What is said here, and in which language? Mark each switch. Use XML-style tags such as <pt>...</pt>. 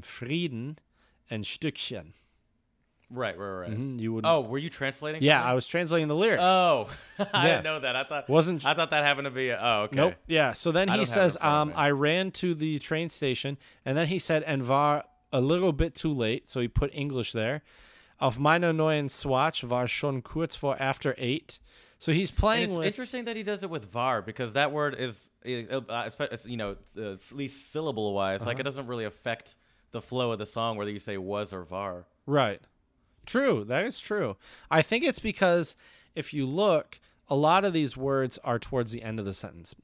<de>Frieden and Stückchen.</de> <en>Right. Mm-hmm. You wouldn't. Oh, were you translating? Yeah, something? I was translating the lyrics. Oh, I didn't know that. I thought that happened to be. Oh, okay. Nope. Yeah. So then he says, "I ran to the train station," and then he said, "and war a little bit too late." So he put English there.</en> <de>"Auf meiner neuen Swatch war schon kurz vor</de> <en>after 8." So he's playing. It's with, interesting that he does it with var, because that word is, you know, at least syllable wise, like it doesn't really affect the flow of the song whether you say was or var. Right. True. That is true. I think it's because if you look, a lot of these words are towards the end of the sentence.</en>